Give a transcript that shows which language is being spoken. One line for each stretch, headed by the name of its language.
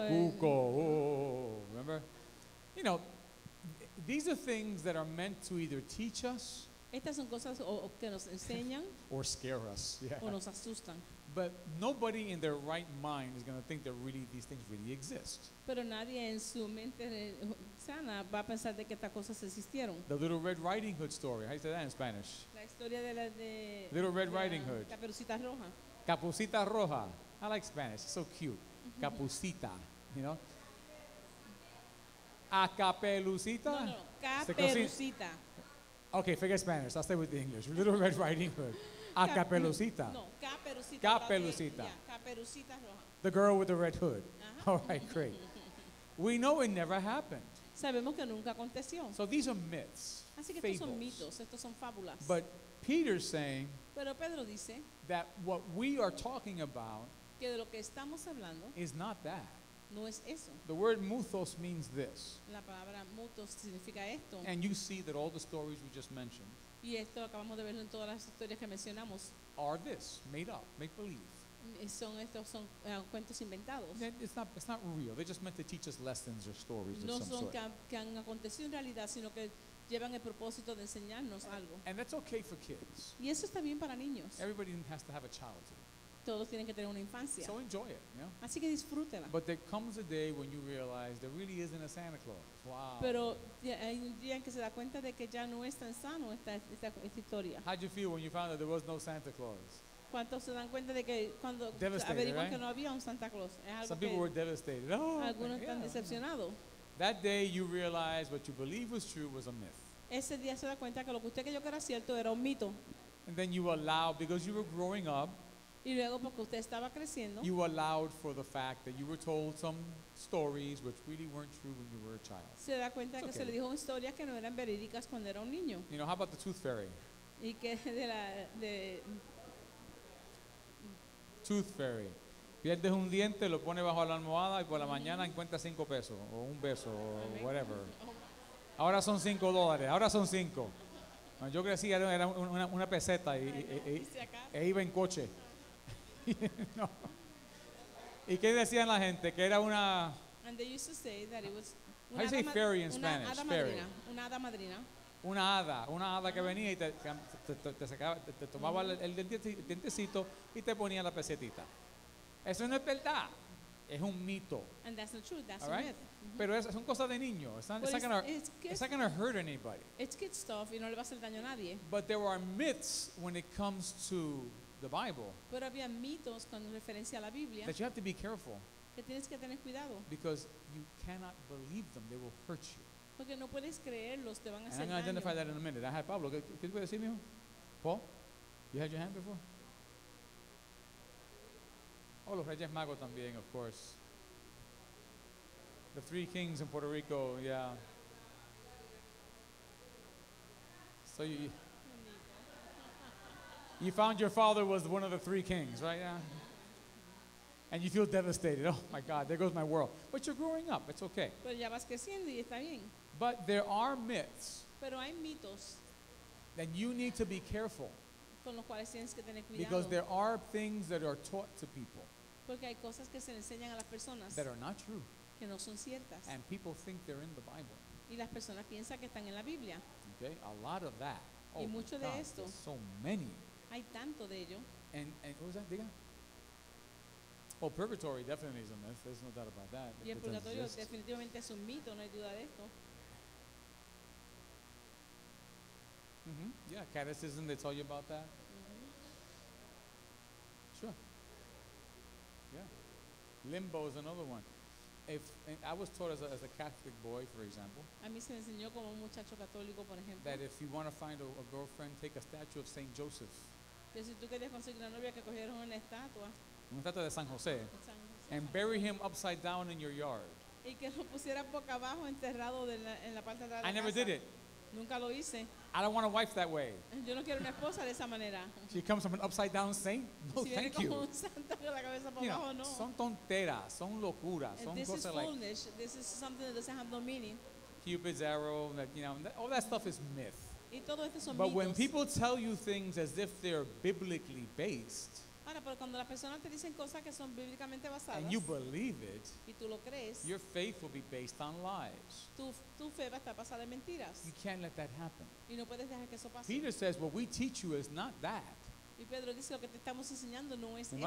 Spanish: el cuco,
English: remember? You know, these are things that are meant to either teach us
Spanish: estas son cosas que nos enseñan,
English: or scare us. Yeah.
Spanish: O nos asustan.
English: But nobody in their right mind is going to think that really these things really exist.
Spanish: Pero nadie en su mente sana va a pensar de que estas cosas existieron.
English: The Little Red Riding Hood story. How do you say that in Spanish?
Spanish: La historia de la
English: Little Red Riding Hood.
Spanish: Caperucita Roja.
English: Caperucita Roja. I like Spanish. It's so cute. Capucita, you know.
Spanish: A capelucita? No, capelucita.
English: Okay, forget Spanish. I'll stay with the English. Little Red Riding Hood. A capelucita.
Spanish: No, capelucita. Capelucita. Yeah, capelucita roja.
English: The girl with the red hood. Uh-huh. All right, great. We know it never happened.
Spanish: Sabemos que nunca aconteció.
English: So these are myths.
Spanish: Así que estos son mitos, estos son fábulas.
English: But Peter's saying
Spanish: pero Pedro dice
English: that what we are talking about
Spanish: que de lo que estamos hablando
English: is not that.
Spanish: No es eso.
English: The word muthos means this.
Spanish: La palabra muthos significa esto.
English: And you see that all the stories we just mentioned
Spanish: y esto acabamos de verlo en todas las historias que mencionamos
English: are this, made up, make believe.
Spanish: Son estos, son cuentos inventados.
English: It's not real. They're just meant to teach us lessons or stories
Spanish: no
English: of some sort.
Spanish: No son que han acontecido en realidad, sino que llevan el propósito de enseñarnos algo.
English: And that's okay for kids.
Spanish: Y eso está bien para niños.
English: Everybody has to have a childhood.
Spanish: Todos tienen que tener una infancia.
English: So enjoy it, yeah?
Spanish: Así que disfrútela.
English: But there comes a day when you realize there really isn't a Santa Claus. Wow.
Spanish: Pero hay un día en que se da cuenta de que ya no es tan sano esta historia.
English: How'd you feel when you found that there was no Santa Claus?
Spanish: ¿Cuántos se dan cuenta de que cuando averiguan que no había un Santa Claus?
English: Some people were devastated. Oh,
Spanish: algunos están decepcionados.
English: That day you realize what you believe was true was a myth.
Spanish: Ese día se da cuenta que lo que usted creyó que era cierto era un mito.
English: And then you allow, because you were growing up,
Spanish: y luego porque usted estaba creciendo,
English: you allowed for the fact that you were told some stories which really weren't true when you were a child.
Spanish: Se da cuenta que se le dijo historias que no eran verídicas cuando era un niño.
English: You know, how about the tooth fairy?
Spanish: Y que de la de
English: tooth fairy.
Spanish: Pierdes un diente, lo pone bajo la almohada y por la mañana encuentra $5 o un beso o whatever. Ahora son $5. Ahora son 5. Cuando yo crecí era una peseta y iba en coche. No. ¿Y qué decían la gente? Que era una.
English: And they used to say that it was. How do you say fairy in Spanish? Fairy.
Spanish: Una hada madrina. Una hada que venía y te sacaba, te tomaba el dientecito y te ponía la pesetita. Eso no es verdad. Es un mito.
English: And that's not true. That's a myth.
Spanish: Mm-hmm. Pero es un cosa de niño.
English: It's not gonna hurt anybody. It's kid stuff.
Spanish: Y no le va a hacer daño a nadie.
English: But there are myths when it comes to the Bible.
Spanish: Pero había mitos con referencia a la Biblia.
English: That you have to be careful.
Spanish: Que tienes que tener cuidado.
English: Because you cannot believe them. They will hurt you.
Spanish: Porque no puedes creerlos, te van a hacer daño.
English: I'm gonna identify that in a minute. I had Pablo.
Spanish: ¿Qué te puedes decir, mijo? Paul,
English: you had your hand before.
Spanish: Oh, los Reyes Magos también,
English: of course. The Three Kings in Puerto Rico, yeah. So you found your father was one of the Three Kings, right? Yeah. And you feel devastated. Oh my God, there goes my world. But you're growing up. It's okay.
Spanish: Pero ya vas creciendo y está bien.
English: But there are myths.
Spanish: Pero hay mitos.
English: That you need to be careful.
Spanish: Con los cuales tienes que tener cuidado.
English: Because there are things that are taught to people.
Spanish: Porque hay cosas que se le enseñan a las personas.
English: That are not true.
Spanish: Que no son ciertas.
English: And people think they're in the Bible.
Spanish: Y las personas piensan que están en la Biblia.
English: Okay, a lot of that.
Spanish: Oh, y mucho de esto.
English: So many.
Spanish: Hay tanto de ello.
English: And what was that?
Spanish: Diga.
English: Well, purgatory definitely is a myth. There's no doubt about that.
Spanish: Y el purgatorio definitivamente es un mito. No hay duda de esto.
English: that catechism they tell you about that? Sure. Yeah. Limbo is another one. If I was taught as a Catholic boy, for example,
Spanish: a mí se me enseñó como un muchacho católico, por ejemplo,
English: that if you want to find a girlfriend, take a statue of Saint Joseph.
Spanish: Que si tú querías conseguir una novia, que cogieron una estatua. Una estatua de San José. San José.
English: And bury him upside down in your yard.
Spanish: Y que lo pusieran boca abajo, enterrado en la parte de la casa.
English: I never did it.
Spanish: Nunca lo hice.
English: I don't want a wife that way.
Spanish: Yo no quiero una esposa de esa manera.
English: She comes from an upside down saint? No,
Spanish: si
English: thank you.
Spanish: Un santo con la cabeza por abajo, no. Son tonteras, son locuras, son cosas
English: like. This is foolish. This is something that doesn't have no meaning. Cupid's arrow, that, you know, all that stuff is myth.
Spanish: Y todo esto son
English: but
Spanish: mitos.
English: When people tell you things as if they're biblically based,
Spanish: ahora, pero cuando las personas te dicen cosas que son bíblicamente basadas,
English: and you believe it,
Spanish: y tú lo crees,
English: your faith will be based on lies.
Spanish: Tu fe va a estar basada en mentiras.
English: You can't let that happen.
Spanish: Y no puedes dejar que eso pase.
English: Peter says, what we teach you is not that.
Spanish: Y Pedro dice, lo que te estamos enseñando no es uh-huh.